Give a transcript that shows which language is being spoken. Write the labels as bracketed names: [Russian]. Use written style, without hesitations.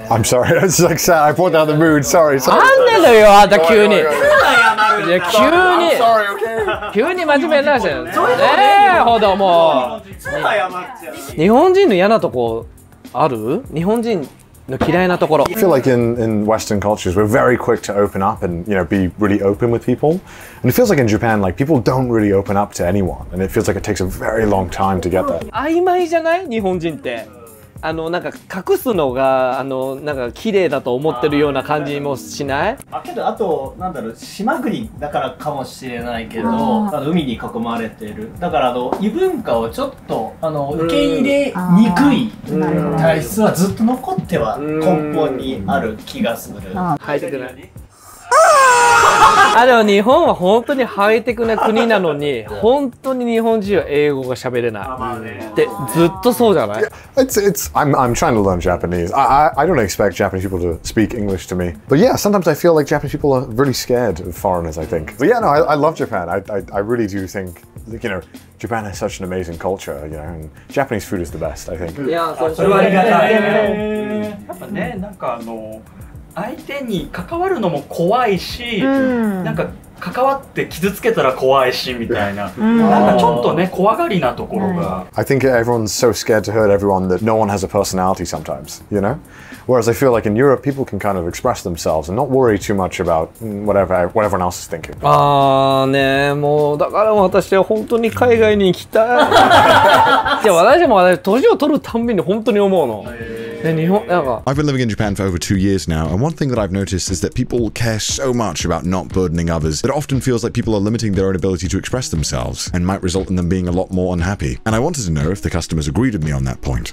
[English] I'm sorry, I'm just like sad. I put down the mood. Sorry, sorry. [Japanese] なんでだよ、あんた急に。いや、急に。 I'm sorry, okay. 急に真面目になっちゃう。そういうことね。ねえ、ほどもう。日本人の嫌なとこ、ある? 日本人。 [English] I feel like in Western cultures, we're very quick to open up and you know, be really open with people. And it feels like in Japan, like, people don't really open up to anyone. And it feels like it takes a very long time to get there. [Japanese] 曖昧じゃない?日本人って。あの、なんか隠すのが、あの、なんか綺麗だと思ってるような感じもしない? あ、けど、あと、なんだろう、島国だからかもしれないけど、あの、海に囲まれてる。だから、あの、異文化をちょっと、あの、受け入れにくい体質はずっと残っては根本にある気がする。入ってくない? あ、でも日本は本当にハイテクな国なのに、本当に日本人は英語が喋れない。で、ずっとそうじゃない? [English] I'm trying to learn Japanese. I don't expect Japanese people to speak English to me. But yeah, sometimes I feel like Japanese people are really scared of foreigners, I think. But yeah, no, I love Japan. I really do think, you know, Japan has such an amazing culture, you know, and Japanese food is the best, I think. [Japanese] Yeah, それはありがたい。やっぱね、なんかあの、相手に関わるのも怖いし、うん、なんか関わって傷つけたら怖いしみたいな、うん、なんかちょっとね、怖がりなところが、 [English] うん、I think everyone's so scared to hurt everyone that no one has a personality sometimes, you know? Whereas I feel like in Europe, people can kind of express themselves and not worry too much about what everyone else is thinking. [Japanese] あーね、もうだから私は本当に海外に行きたい。いや、私も私、年を取るたんびに本当に思うの。 [English] I've been living in Japan for over 2 years now, and one thing that I've noticed is that people care so much about not burdening others that it often feels like people are limiting their own ability to express themselves and might result in them being a lot more unhappy. And I wanted to know if the customers agreed with me on that point.